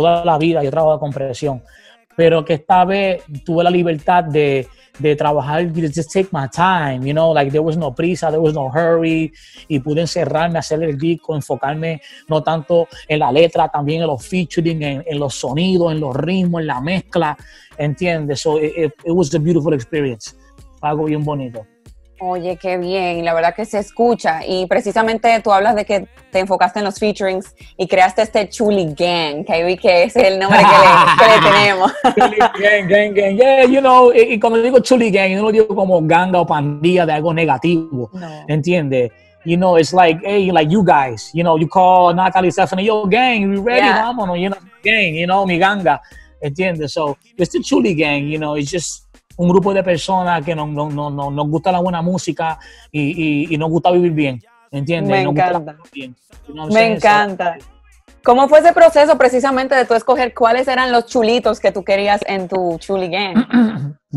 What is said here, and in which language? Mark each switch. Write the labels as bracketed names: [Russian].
[Spanish] Toda la vida yo trabajo con presión, pero que esta vez tuve la libertad de trabajar, [English] just take my time, you know, like there was no [Spanish] prisa, [English] there was no hurry, [Spanish] y pude encerrarme, hacer el disco, enfocarme no tanto en la letra, también en los featuring, en los sonidos, en los ritmos, en la mezcla, ¿entiendes? [English] So it was a beautiful experience, [Spanish] algo bien bonito. Oye, qué bien, la verdad que se escucha, y precisamente tú hablas de que te enfocaste en los featurings y creaste este Chuli Gang, que vi que ese es el nombre que le tenemos. Chuli Gang, [English] yeah, you know, [Spanish] y cuando digo Chuli Gang, no lo digo como ganga o pandilla de algo negativo, no. ¿Entiendes? [English] You know, it's like, hey, like you guys, you know, you call Natalie Stephanie, yo gang, you ready, yeah. [Spanish] Vámonos, [English] you know, gang, you know, [Spanish] mi ganga, ¿entiendes? [English] So, it's the Chuli Gang, you know, it's just [Spanish] un grupo de personas que nos gusta la buena música y nos gusta vivir bien, ¿entiendes? Me encanta. Me encanta. ¿Cómo fue ese proceso precisamente de tú escoger cuáles eran los chulitos que tú querías en tu Chuli Gang?